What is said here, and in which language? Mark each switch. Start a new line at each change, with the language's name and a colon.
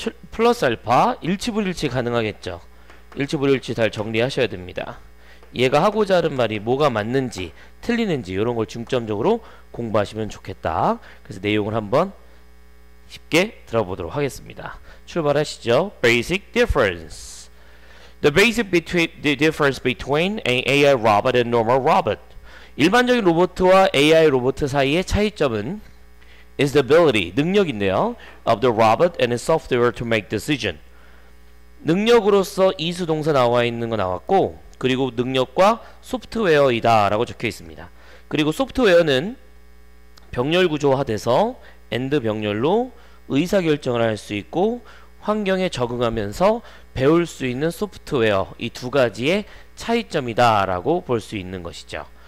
Korean: 플러스 알파, 일치불일치 가능하겠죠? 일치불일치 잘 정리하셔야 됩니다. 얘가 하고자 하는 말이 뭐가 맞는지, 틀리는지, 이런 걸 중점적으로 공부하시면 좋겠다. 그래서 내용을 한번 쉽게 들어보도록 하겠습니다. 출발하시죠.
English: Basic difference. The basic difference between an AI robot and normal robot.
Korean: 일반적인 로봇과 AI 로봇 사이의 차이점은
English: is the ability,
Korean: 능력인데요,
English: of the robot and its software to make decision.
Korean: 능력으로서 is 동사 나와 있는 거 나왔고, 그리고 능력과 소프트웨어이다라고 적혀 있습니다. 그리고 소프트웨어는 병렬 구조화돼서 and 병렬로 의사결정을 할수 있고 환경에 적응하면서 배울 수 있는 소프트웨어, 이두 가지의 차이점이다라고 볼수 있는 것이죠.